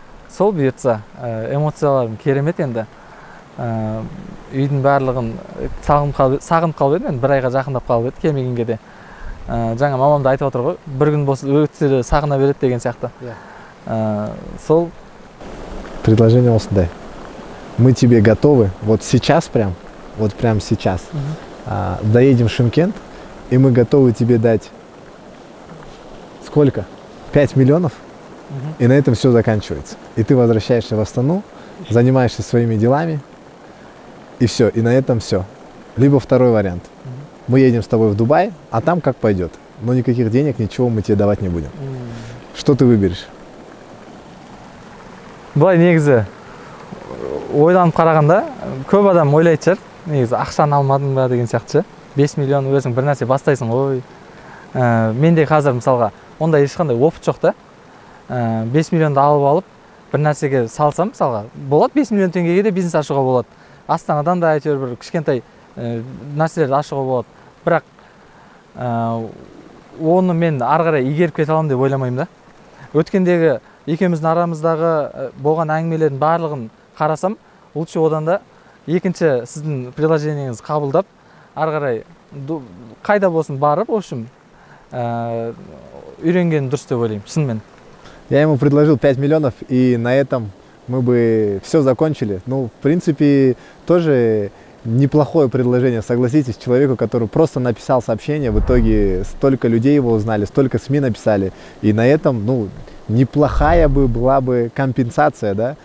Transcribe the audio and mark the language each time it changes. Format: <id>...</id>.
<kk>Сол бұйыртса эмоцияларым керемет енді. Үйдің барлығын сағынып қалып едім, бір айға жақындап қалып еді келмегенге де. Жаңа мамам да айтып отыр ғой, бір күн болса өттері сағына береді деген сияқты. Сол предложение осындай.</kk> <ru>Мы тебе готовы вот сейчас прям, вот прям сейчас. Доедем в Шымкент, и мы готовы тебе дать сколько? 5 миллионов. И на этом все заканчивается. И ты возвращаешься в Астану, занимаешься своими делами. И все, и на этом все. Либо второй вариант. Мы едем с тобой в Дубай, а там как пойдет. Но никаких денег, ничего мы тебе давать не будем. Что ты выберешь?</ru> <kk>Былай негізі ойланып қарағанда көп адам ойлайтын шығар, негізі ақшаны алмадың ба деген сияқты. 5 миллион өзің бір нәрсе бастайсың ғой. Менде қазір мысалға ондай ешқандай опыт жоқ та. 5 миллионды алып бір нәрсеге салсам мысалға болады, 5 миллион теңгеге де бизнес ашуға болады. Астанадан да әйтеуір бір кішкентай нәрселерді ашуға болады. Бірақ оны мен ары қарай игеріп кете аламын деп ойламаймын да. Өткендегі екеуміздің арамыздағы болған әңгімелердің барлығын қарасам, лучше одан да екінші сіздің предложениеңіз қабылдап, ары қарай қайда болсын барып,</kk> <ru>в общем,</ru> <kk>үйренгені дұрыс деп ойлаймын, шынымен.</kk> <ru>Я ему предложил 5 миллионов, и на этом мы бы все закончили. Ну, в принципе, тоже неплохое предложение, согласитесь, человеку, который просто написал сообщение, в итоге столько людей его узнали, столько СМИ написали, и на этом, ну, неплохая бы была бы компенсация, да?</ru>